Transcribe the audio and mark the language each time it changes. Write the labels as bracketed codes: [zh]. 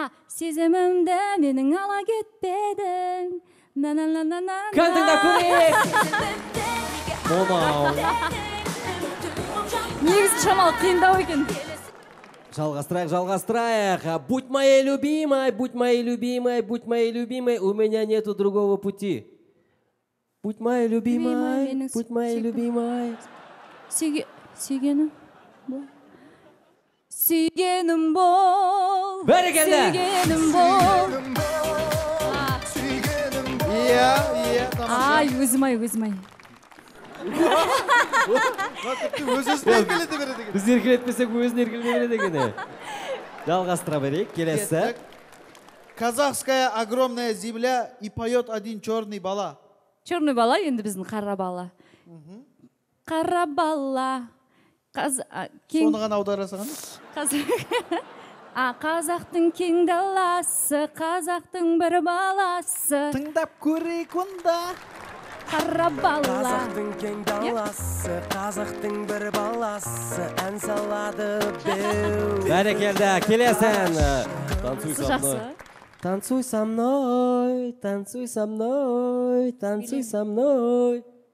[kk] Сезімімді менің ала кетпедің. На-на-на-на-на. Кәнтің да көрек. Болмау. Негіз шамал қиындау екен. Жалғастырайық, жалғастырайық. [ru] Будь моей любимой, будь моей любимой, будь моей любимой. У меня нету другого пути. Будь моей любимой, будь моей любимой. [kk] Сүйгенім бол. Сүйгенім бол. Бәрекенді. Сүйгенім бол. Сүйгенім бол. Иә, тамаша. Өзім-ай. Біз еркелетпесек, өзін еркелете береді екен. Жалғастыра берейік, келесі. [ru] Казахская огромная земля и поет один черный бала. [kk] Черный бала енді біздің қара бала. Қара бала. Соны ғана аударасаған? Қазақтың кең даласы, қазақтың бір баласы. Тыңдап көрейік онда. Қазақтың кең даласы, қазақтың бір баласы, ән салады біл. Бәрекелді, келесен. [ru] Танцуй со мной, танцуй со мной, танцуй со мной.